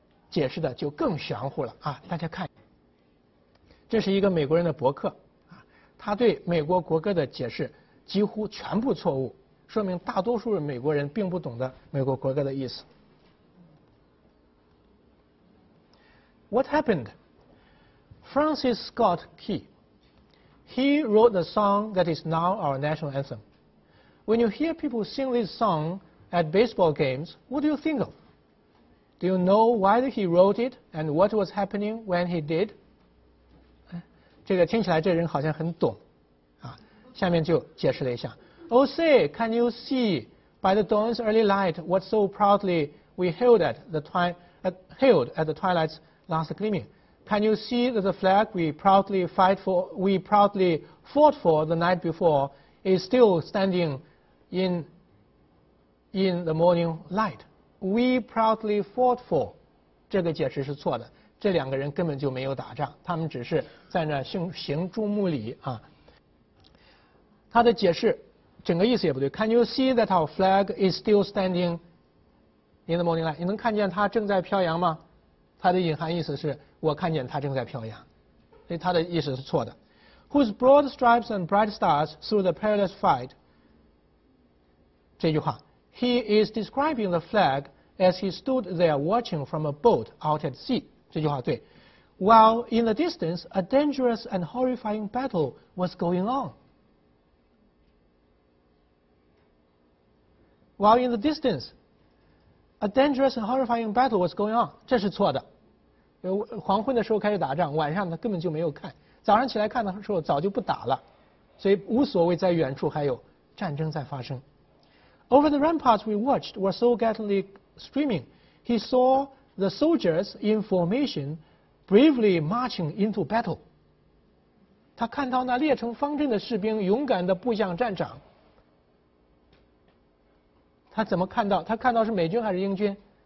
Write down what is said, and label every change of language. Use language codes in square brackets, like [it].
[zh] 解释的就更玄乎了啊！大家看，这是一个美国人的博客啊，他对美国国歌的解释几乎全部错误，说明大多数美国人并不懂得美国国歌的意思。 [en] What happened? Francis Scott Key, he wrote the song that is now our national anthem. When you hear people sing this song at baseball games, what do you think of? Do you know why he wrote it and what was happening when he did? [zh] 这个听起来这人好像很懂，啊，下面就解释了一下。 [en] Oh say, can you see by the dawn's early light what so proudly we hailed at the twilight's last gleaming? Can you see that the flag we proudly fought for the night before is still standing in the morning light? We proudly fought for， [zh] 这个解释是错的。这两个人根本就没有打仗，他们只是在那行注目礼啊。他的解释整个意思也不对。 [en] Can you see that our flag is still standing in the morning light？ [zh] 你能看见它正在飘扬吗？它的隐含意思是我看见它正在飘扬，所以它的意思是错的。 [en] Whose broad stripes and bright stars through the perilous fight？ [zh] 这句话。 [en] He is describing the flag as he stood there watching from a boat out at sea. [zh] 这句话对。 [en] While in the distance, a dangerous and horrifying battle was going on. While in the distance, a dangerous and horrifying battle was going on. [zh] 这是错的。黄昏的时候开始打仗，晚上他根本就没有看。早上起来看的时候早就不打了。所以无所谓在远处还有战争在发生。 [en] Over the ramparts we watched were so gallantly streaming. He saw the soldiers in formation bravely marching into battle. [zh] 他看到那列成方阵的士兵勇敢地步向战场。他怎么看到？他看到是美军还是英军？